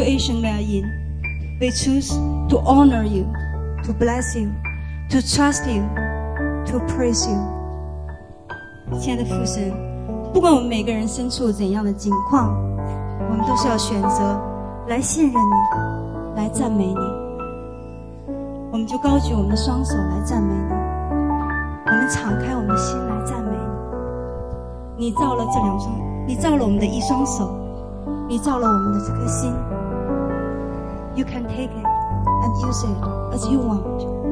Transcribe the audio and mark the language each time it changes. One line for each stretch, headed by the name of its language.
English: We choose to honor you, to bless you, to trust you, to praise you.
Chinese: 亲爱的父神，不管我们每个人身处怎样的境况，我们都是要选择来信任你，来赞美你。我们就高举我们的双手来赞美你，我们敞开我们的心来赞美你。你造了这两双，你造了我们的一双手，你造了我们的这颗心。
English: You can take it and use it as you want.